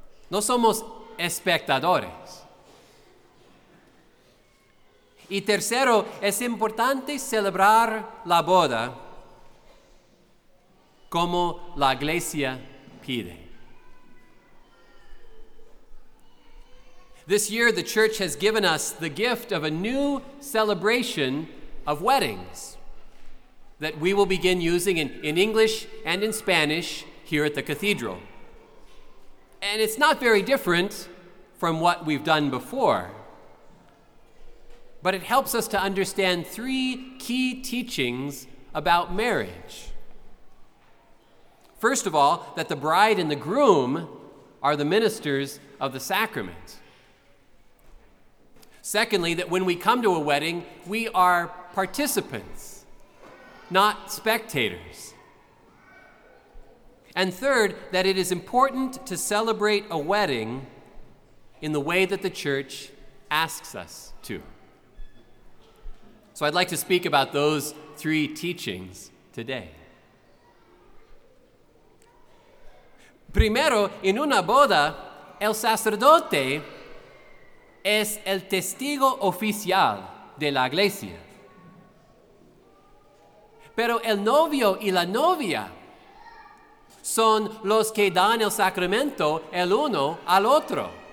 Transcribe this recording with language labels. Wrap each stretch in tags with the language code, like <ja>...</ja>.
<es>No somos espectadores. Y tercero, es importante celebrar la boda como la iglesia pide.</es> <en>This year, the church has given us the gift of a new celebration of weddings that we will begin using in English and in Spanish here at the cathedral. And it's not very different from what we've done before, but it helps us to understand three key teachings about marriage. First of all, that the bride and the groom are the ministers of the sacrament. Secondly, that when we come to a wedding, we are participants, not spectators. And third, that it is important to celebrate a wedding in the way that the church asks us to. So I'd like to speak about those three teachings today.</en> <es>Primero, en una boda, el sacerdote es el testigo oficial de la iglesia. Pero el novio y la novia son los que dan el sacramento el uno al otro.</es>